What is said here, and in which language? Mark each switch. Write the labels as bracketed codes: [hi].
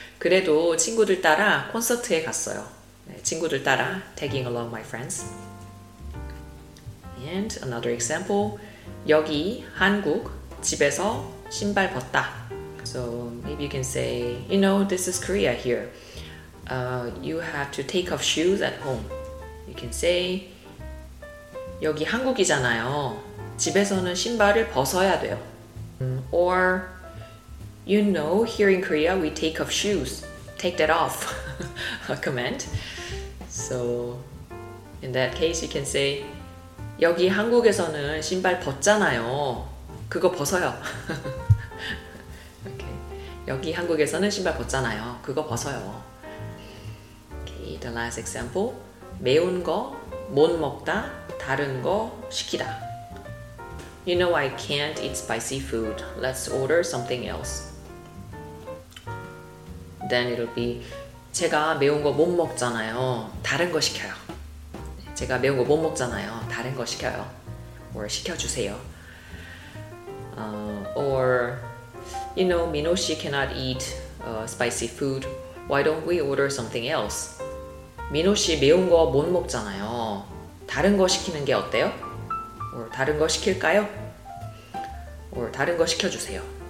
[ko] 그래도 친구들 따라 콘서트에 갔어요. 친구들 따라 [en] tagging along my friends. And another example. [ko] 여기 한국 집에서 신발 벗다. [en] So maybe you can say, you know, this is Korea here. You have to take off shoes at home. You can say, [ko] 여기 한국이잖아요. 집에서는 신발을 벗어야 돼요. [en] Or you know, here in Korea, we take off shoes. Take that off. A comment. So, in that case, you can say, [ko] 여기 한국에서는 신발 벗잖아요. 그거 벗어요. [en] Okay. [ko] 여기 한국에서는 신발 벗잖아요. 그거 벗어요. [en] Okay, the last example. [ko] 매운 거 못 먹다, 다른 거 시키다. [en] You know, I can't eat spicy food. Let's order something else. Then it'll be [ko] 제가 매운 거 못 먹잖아요. 다른 거 시켜요. 제가 매운 거 못 먹잖아요. 다른 거 시켜요. Or 시켜주세요. [en] Or you know, 민호 씨 cannot eat spicy food. Why don't we order something else? [ko] 민호 씨 매운 거 못 먹잖아요. 다른 거 시키는 게 어때요? Or 다른 거 시킬까요? Or 다른 거 시켜주세요.